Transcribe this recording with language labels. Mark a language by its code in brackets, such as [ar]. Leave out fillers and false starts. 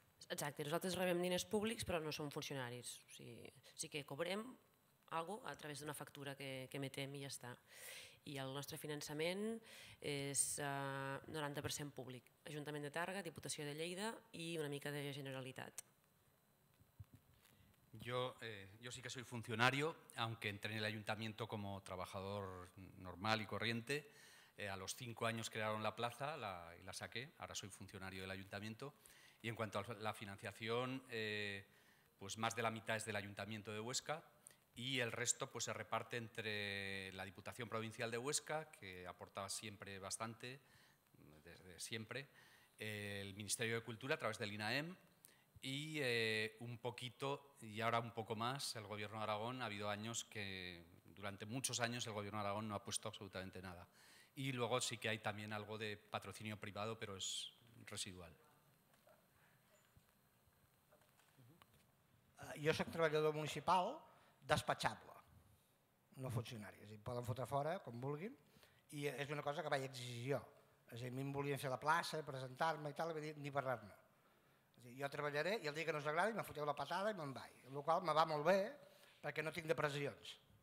[ca] Exacte, nosaltres rebem diners públics, però no som funcionaris. O sigui, sí que cobrem algo a través d'una factura que emetem i ja està. I el nostre finançament és 90% públic. Ajuntament de Tàrrega, Diputació de Lleida i una mica de Generalitat. [es] Yo sí que soy funcionario, aunque entré en el ayuntamiento como trabajador normal y corriente. A los 5 años crearon la plaza y la saqué. Ahora soy funcionario del ayuntamiento. Y en cuanto a la financiación, pues más de la mitad es del Ayuntamiento de Huesca. Y el resto pues se reparte entre la Diputación Provincial de Huesca, que aporta siempre bastante, desde siempre, el Ministerio de Cultura a través del INAEM y un poquito, y ahora un poco más, el Gobierno de Aragón. Ha habido años que, durante muchos años, el Gobierno de Aragón no ha puesto absolutamente nada. Y luego sí que hay también algo de patrocinio privado, pero es residual. Yo soy trabajador municipal, [ca] despatxable, no funcionari. És a dir, poden fotre fora com vulguin i és una cosa que vaig exigir jo. És a dir, a mi em volien fer la plaça, presentar-me i tal, i ni parlar-ne. Jo treballaré i el dia que no us agradi me foteu la patada i me'n vaig. El qual me va molt bé perquè no tinc depressions.